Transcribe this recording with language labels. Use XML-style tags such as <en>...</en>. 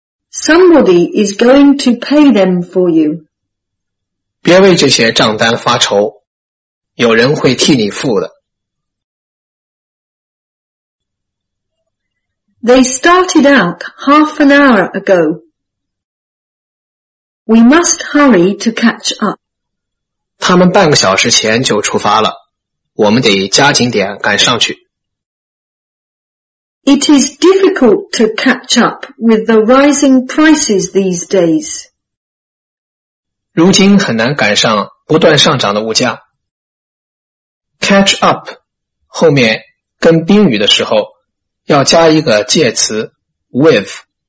<en>Somebody is going to pay them for you.</en> <zh>别为这些账单发愁，有人会替你付的。</zh> <en>They started out half an hour ago. We must hurry to catch up.</en> <zh>他们半个小时前就出发了，我们得加紧点赶上去。</zh> <en>It is difficult to catch up with the rising prices these days.</en> <zh>如今很难赶上不断上涨的物价。 catch up 后面跟宾语的时候要加一个介词 with。</zh>